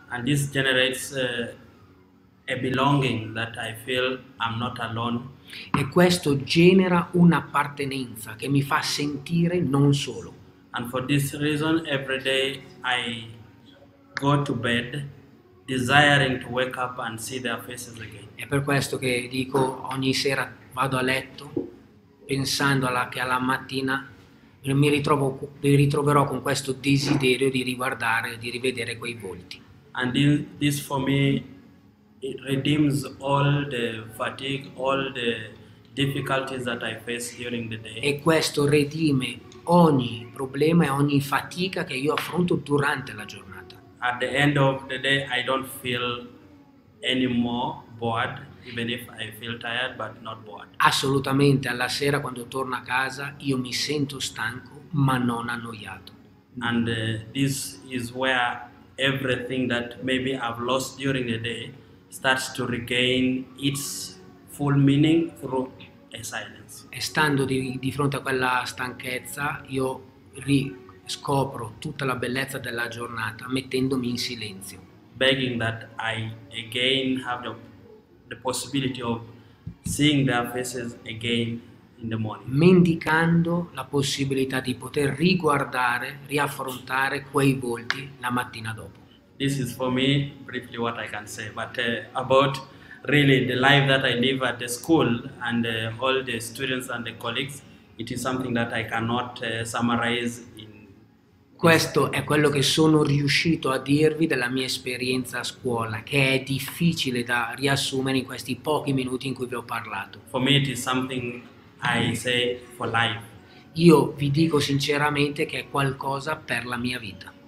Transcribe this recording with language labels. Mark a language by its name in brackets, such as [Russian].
[English] And this generates a belonging that I feel I'm not alone. [Italian] E questo genera un'appartenenza che mi fa sentire non solo. [English] And for this reason every day I go to bed desiring to wake up and see their faces again. [Italian] È per questo che dico ogni sera vado a letto pensando che alla mattina mi ritroverò con questo desiderio di riguardare, di rivedere quei volti. [English] And this for me it redeems all the fatigue, all the difficulties that I face during the day. [Italian] E questo redime ogni problema e ogni fatica che io affronto durante la giornata. [English] At the end of the day I don't feel any more bored, even if I feel tired but not bored. [Italian] Assolutamente, alla sera quando torno a casa io mi sento stanco ma non annoiato. [English] And this is where everything that maybe I've lost during the day starts to regain its full meaning through a silence. [Italian] E stando di fronte a quella stanchezza, io riscopro tutta la bellezza della giornata mettendomi in silenzio. [English] Begging that I again have the possibility of seeing their faces again in the morning. [Italian] Mendicando la possibilità di poter riguardare, riaffrontare quei volti la mattina dopo. [English] This is for me briefly what I can say, but about really the life that I live at the school and all the students and the colleagues, it is something that I cannot summarize in. [Italian] Questo è quello che sono riuscito a dirvi della mia esperienza a scuola, che è difficile da riassumere in questi pochi minuti in cui vi ho parlato. [English] For me it is something I say for life. [Italian] Io vi dico sinceramente che è qualcosa per la mia vita.